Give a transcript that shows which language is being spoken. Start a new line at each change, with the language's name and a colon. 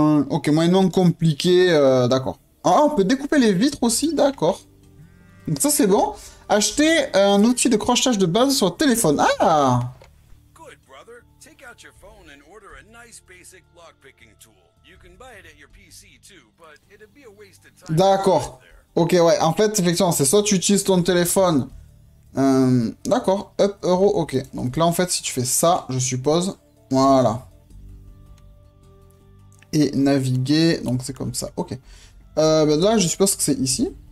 French: Ok, moyennement compliqué. D'accord. Ah, on peut découper les vitres aussi. D'accord. Donc ça, c'est bon. Acheter un outil de crochetage de base sur le téléphone.
English: Ah! Good brother. Take out your phone and order a nice basic lockpicking tool. You can buy it at your PC too, but it'd be a waste of time.
French: D'accord. Ok, ouais. En fait, effectivement, c'est soit tu utilises ton téléphone... d'accord, up euro, ok. Donc là, en fait, si tu fais ça, je suppose, voilà. Et naviguer, donc c'est comme ça, ok. Bah là, je suppose que c'est ici.